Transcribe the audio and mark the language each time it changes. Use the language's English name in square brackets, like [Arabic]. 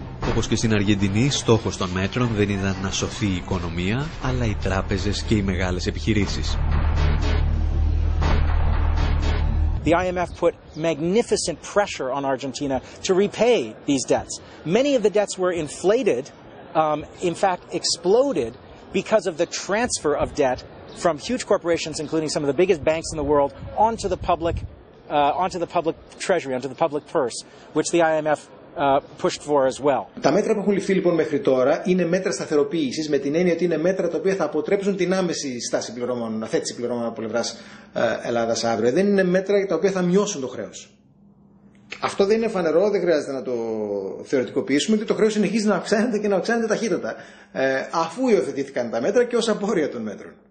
[Greek] Όπως και στην Αργεντινή, στόχος των μέτρων δεν ήταν να σωθεί η οικονομία, αλλά οι τράπεζες και οι μεγάλες επιχειρήσεις. [English] The IMF put magnificent pressure on Argentina to repay these debts. Many of the debts were inflated, in fact exploded, because of the transfer of debt from huge corporations, including some of the biggest banks in the world, onto the public treasury, onto the public purse, which the IMF pushed for as well. [Greek] Τα μέτρα που έχουν ληφθεί λοιπόν μέχρι τώρα είναι μέτρα σταθεροποίησης, με την έννοια ότι είναι μέτρα τα οποία θα αποτρέψουν την άμεση στάση πληρωμών, θέτηση πληρωμών από πλευράς Ελλάδας αύριο. Δεν είναι μέτρα τα οποία θα μειώσουν το χρέος. Αυτό δεν είναι φανερό, δεν χρειάζεται να το θεωρητικοποιήσουμε, διότι το χρέος συνεχίζει να αυξάνεται και να αυξάνεται ταχύτατα, αφού υιοθετήθηκαν τα μέτρα και ως απόρρια των μέτρων.